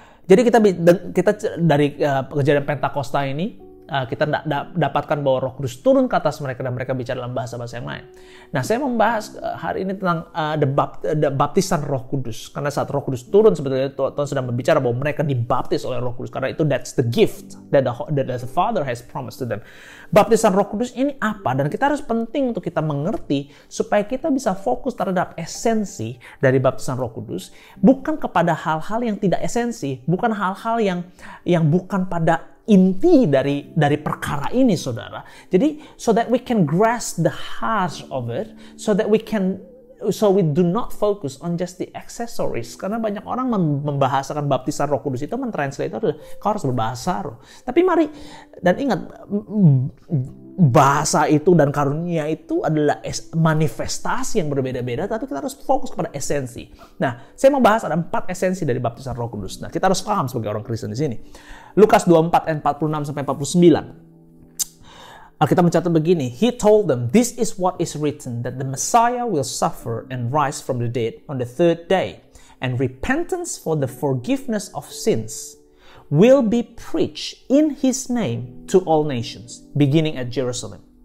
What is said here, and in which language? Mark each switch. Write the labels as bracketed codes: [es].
[id] Jadi kita dari kejadian Pentakosta ini, kita dapatkan bahwa Roh Kudus turun ke atas mereka dan mereka bicara dalam bahasa-bahasa yang lain. Nah, saya membahas hari ini tentang baptisan Roh Kudus. Karena saat Roh Kudus turun, sebetulnya Tuhan sedang berbicara bahwa mereka dibaptis oleh Roh Kudus. Karena itu, [en] that's the gift that the Father has promised to them. [id] Baptisan Roh Kudus ini apa? Dan kita harus penting untuk kita mengerti supaya kita bisa fokus terhadap esensi dari baptisan Roh Kudus. Bukan kepada hal-hal yang tidak esensi. Bukan hal-hal yang bukan pada inti dari perkara ini, saudara. [en] Jadi, so that we can grasp the heart of it, so we do not focus on just the accessories. [id] Karena banyak orang membahasakan baptisan Roh Kudus itu, mentranslate itu, kau harus berbahasa roh. Tapi mari, dan ingat, bahasa itu dan karunia itu adalah manifestasi yang berbeda-beda, tapi kita harus fokus kepada esensi. Nah, saya mau bahas ada 4 esensi dari baptisan Roh Kudus. Nah, kita harus paham sebagai orang Kristen di sini. Lukas 24 ayat 46-49. Kita mencatat begini. [en] He told them, "This is what is written, that the Messiah will suffer and rise from the dead on the third day, and repentance for the forgiveness of sins will be preached in his name to all nations, beginning at Jerusalem.